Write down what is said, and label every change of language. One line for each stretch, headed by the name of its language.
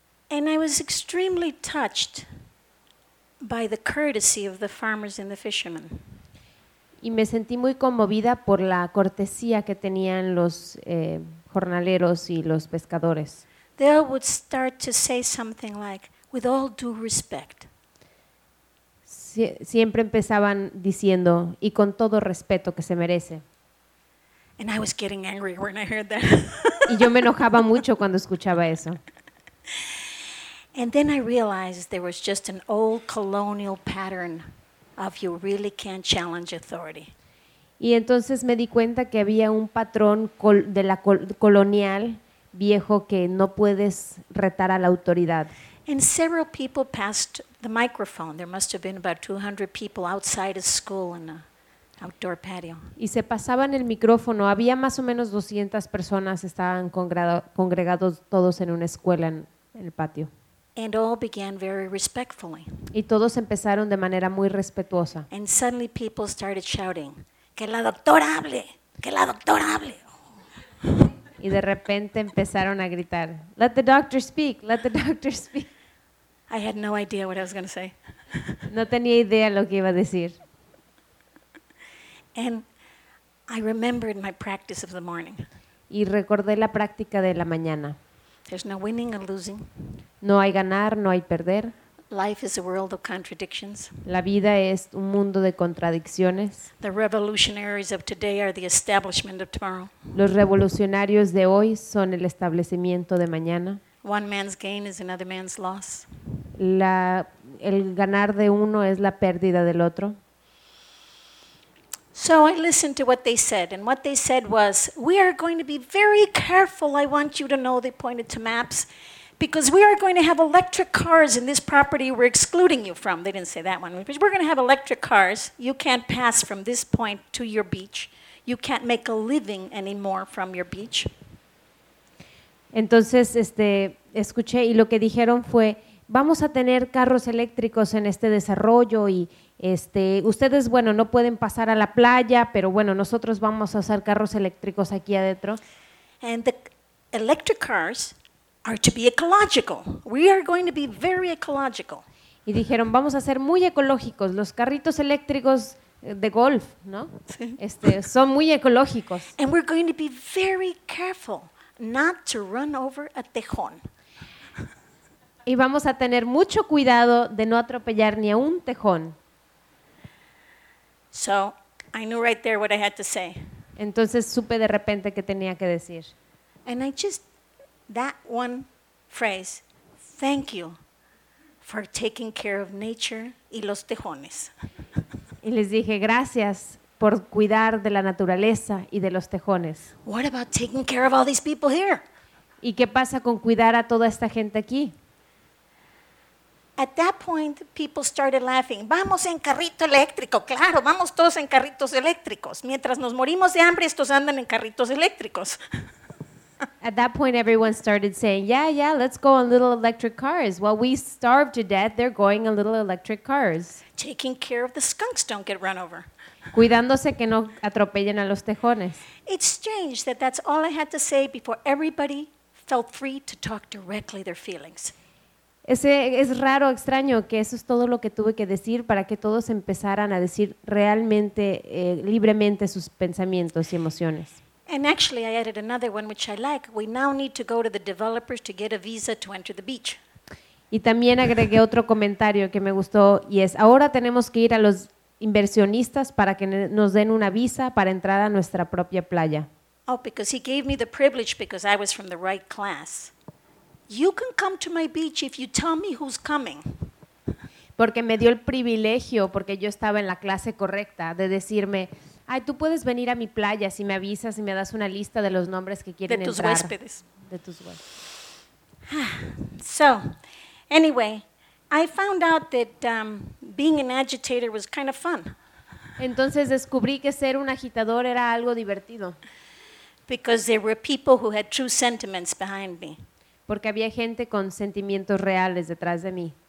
English: And I was extremely touched by the courtesy of the farmers and the fishermen.
Spanish: Y me sentí muy conmovida por la cortesía que tenían los jornaleros y los pescadores.
English: They would start to say something like, "With all due respect."
Spanish: Siempre empezaban diciendo, y con todo respeto que se merece.
English: And I was getting angry when I heard that.
Spanish: Y yo me enojaba mucho cuando escuchaba eso.
English: And then I realized there was just an old colonial pattern of you really can't challenge authority.
Spanish: Y entonces me di cuenta que había un patrón de la colonial viejo que no puedes retar a la autoridad.
English: And several people passed the microphone. There must have been about 200 people outside a school in an outdoor patio.
Spanish: Y se pasaban el micrófono. Había más o menos 200 personas estaban congregados todos en una escuela en el patio.
English: And all began very respectfully.
Spanish: Y todos empezaron de manera muy respetuosa.
English: And suddenly people started shouting,
Spanish: "Que la doctora hable, que la doctora hable." Y de repente empezaron a gritar,
English: "Let the doctor speak, let the doctor speak." I had no idea what I was going to say.
Spanish: No tenía idea lo que iba a decir.
English: And I remembered my practice of the morning.
Spanish: Y recordé la práctica de la mañana.
English: There's no winning or losing.
Spanish: No hay ganar, no hay perder.
English: Life is a world of contradictions.
Spanish: La vida es un mundo de contradicciones.
English: The revolutionaries of today are the establishment of tomorrow.
Spanish: Los revolucionarios de hoy son el establecimiento de mañana.
English: One man's gain is another man's loss.
Spanish: El ganar de uno es la pérdida del otro.
English: So I listened to what they said, and what they said was, "We are going to be very careful. I want you to know," they pointed to maps, "because we are going to have electric cars in this property we're excluding you from." They didn't say that one. "But we're going to have electric cars. You can't pass from this point to your beach. You can't make a living anymore from your beach."
Spanish: Entonces, escuché, y lo que dijeron fue, "Vamos a tener carros eléctricos en este desarrollo y ustedes, bueno, no pueden pasar a la playa, pero bueno, nosotros vamos a usar carros eléctricos aquí adentro."
English: And the electric cars are to be ecological. We are going to be very ecological.
Spanish: Y dijeron, vamos a ser muy ecológicos, los carritos eléctricos de golf, ¿no? Son muy ecológicos.
English: And we're going to be very careful not to run over a tejón.
Spanish: Y vamos a tener mucho cuidado de no atropellar ni a un tejón.
English: So, I knew right there what I had to say.
Spanish: Entonces supe de repente qué tenía que decir.
English: And I just that one phrase, "Thank you for taking care of nature
Spanish: y los tejones." Y les dije, "Gracias por cuidar de la naturaleza y de los tejones."
English: What about taking care of all these people here?
Spanish: ¿Y qué pasa con cuidar a toda esta gente aquí?
English: At that point, people started laughing.
Spanish: "Vamos en carrito eléctrico, claro, vamos todos en carritos eléctricos. Mientras nos morimos de hambre, estos andan en carritos eléctricos."
English: At that point, everyone started saying, "Yeah, yeah, let's go on little electric cars. While we starve to death, they're going on little electric cars." Taking care of the skunks don't get run over.
Spanish: Cuidándose que no atropellen a los tejones.
English: It's strange that that's all I had to say before everybody felt free to talk directly their feelings.
Spanish: Es raro, extraño, que eso es todo lo que tuve que decir para que todos empezaran a decir realmente, libremente sus pensamientos y emociones.
English: And actually I added another one which I like. "We now need to go to the developers to get a visa to enter the beach."
Spanish: Y también agregué otro comentario que me gustó y es, "Ahora tenemos que ir a los inversionistas para que nos den una visa para entrar a nuestra propia playa."
English: Oh, because he gave me the privilege because I was from the right class. "You can come to my beach if you tell me who's coming."
Spanish: Porque me dio el privilegio porque yo estaba en la clase correcta de decirme, "Ay, tú puedes venir a mi playa si me avisas y me das una lista de los nombres que quieren entrar." De tus huéspedes. De tus huéspedes.
English: So, anyway, I found out that being an agitator was kind of fun.
Spanish: Entonces descubrí que ser un agitador era algo divertido.
English: Because there were people who had true sentiments behind me.
Spanish: Porque había gente con sentimientos reales detrás de mí.